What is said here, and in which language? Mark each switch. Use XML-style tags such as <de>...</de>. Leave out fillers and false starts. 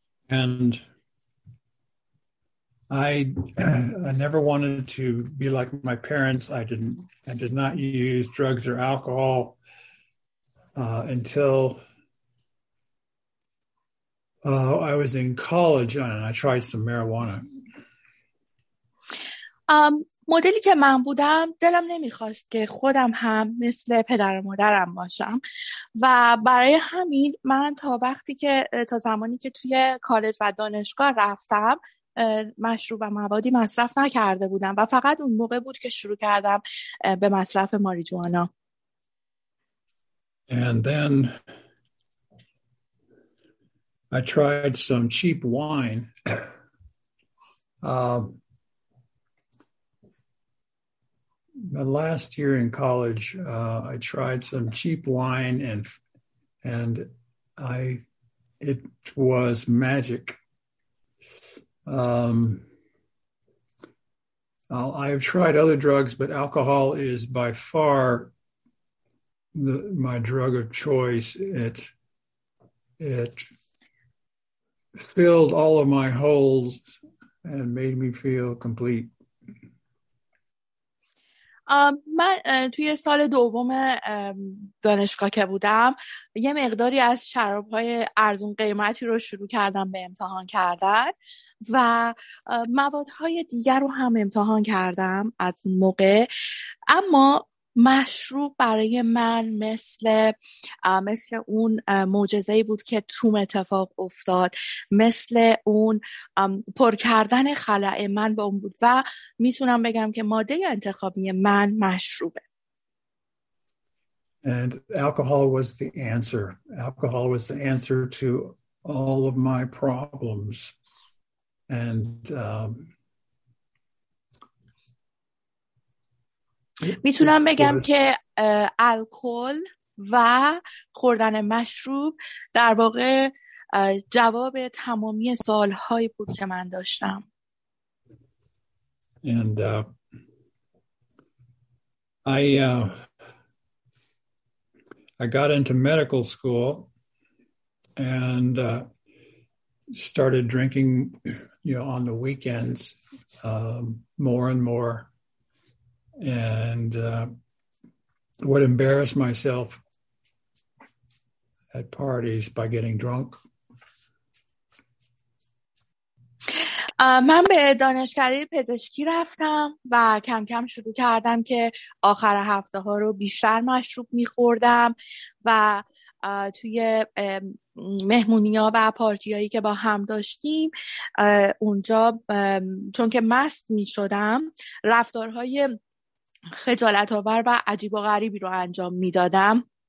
<en>And I never wanted to be like my parents. I did not use drugs or alcohol until I was in college, and I tried some marijuana.</en> <fa>مدلی که من بودم دلم نمیخواست که خودم هم مثل پدر و مادرم باشم و برای همین من تا زمانی که توی کالج و دانشگاه رفتم مشروب و موادی مصرف نکرده بودم و فقط اون موقع بود که شروع کردم به مصرف ماریجوانا.</fa> <en>And then I tried some cheap wine. My last year in college, I tried some cheap wine and it was magic. I've tried other drugs, but alcohol is by far my drug of choice. It filled all of my holes and made me feel complete.</en> <fa>من توی سال دوم دانشگاه که بودم یه مقداری از شراب‌های ارزون قیمتی رو شروع کردم به امتحان کردن و موادهای دیگر رو هم امتحان کردم از اون موقع، اما مشروب برای من مثل اون معجزه‌ای بود که توم اتفاق افتاد، مثل اون پر کردن خلأ من با اون بود و میتونم بگم که ماده انتخابی من مشروبه.</fa> <en>And alcohol was the answer. Alcohol was the answer to all of my problems. And</en> <fa>میتونم بگم که الکل و خوردن مشروب در واقع جواب تمامی سوال‌هایی بود که من داشتم.</fa> <en>And I got into medical school and started drinking, you know, on the weekends more and more. And would embarrass myself at parties by getting drunk.</en> <fa>من به دانشکده پزشکی رفتم و کم کم شروع کردم که آخر هفته ها رو بیشتر مشروب می‌خوردم و توی مهمونی ها و پارتی هایی که با هم داشتیم اونجا چون که مست می‌شدم رفتارهای خجالت آور و عجیب و غریبی رو انجام میدادم.</fa>